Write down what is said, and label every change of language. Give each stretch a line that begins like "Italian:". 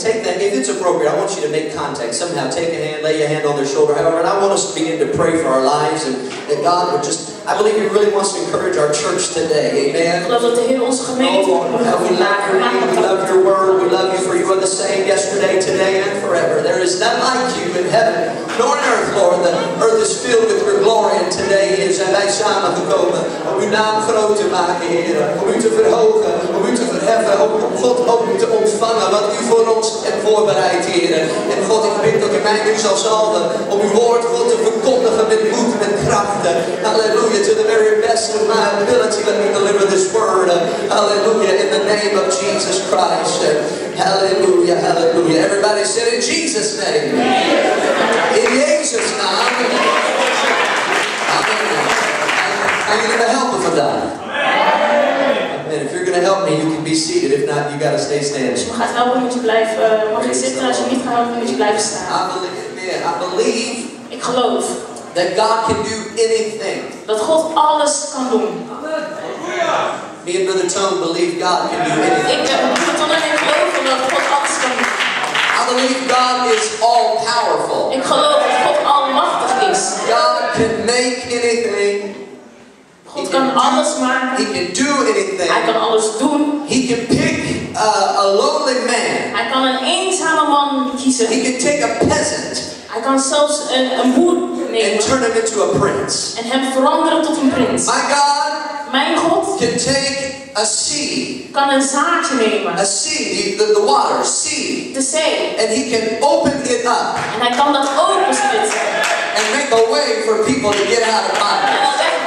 English: Take that. If it's appropriate, I want you to make contact. Somehow take a hand, lay your hand on their shoulder. However, and I want us to begin to pray for our lives and that God would just... I believe he really wants to encourage our church today. Amen.
Dutch: Ik geloof dat de Heer onze gemeente
English: We love your word. We love you for you are the same yesterday, today, and forever. There is none like you in heaven nor in earth, Lord. The earth is filled with your glory, and today is a Shama Hukoma. We now put out to my head. We to put hope. We to put heaven.
Dutch: God
English: open to
Dutch: ontvangen wat u voor ons hebt voorbereid, Heer. En God, ik bid dat u mij nu zal zalven om uw woord, God, te verkondigen met moed en kracht.
English: Hallelujah. To the very best of my ability, let me deliver this word. Hallelujah. In the name of Jesus Christ. Hallelujah, hallelujah. Everybody said in Jesus' name. Amen. In Jesus' name. Amen. I need the help of God. Amen. And if you're going to help me, you can be seated. If not, you've got to stay standing.
Dutch: Als je me gaat helpen, moet je blijven. Mag ik zitten? Als je niet gaat helpen, moet je blijven staan.
English: I believe.
Dutch: Ik geloof.
English: That God can do anything.
Dutch: Dat God alles kan doen.
English: Me and Brother Tone believe God can do anything.
Dutch: Ik heb Brother Tone en ik geloven dat God alles kan doen.
English: I believe God is all powerful.
Dutch: Ik geloof dat God almachtig is.
English: God can make anything.
Dutch: God kan alles maken.
English: He can do anything.
Dutch: Hij kan alles doen.
English: He can pick a lonely man.
Dutch: Hij kan een eenzame man kiezen.
English: He can take a peasant.
Dutch: Hij kan zelfs een boer nemen.
English: And turn him into a prince.
Dutch: En hem veranderen tot een prins.
English: My God.
Dutch: Mijn God.
English: Can take a sea.
Dutch: Kan een zaadje nemen.
English: A sea, the water, sea.
Dutch: De zee.
English: And he can open it up.
Dutch: En hij kan dat openspitsen.
English: And make a way for people to get out of bondage.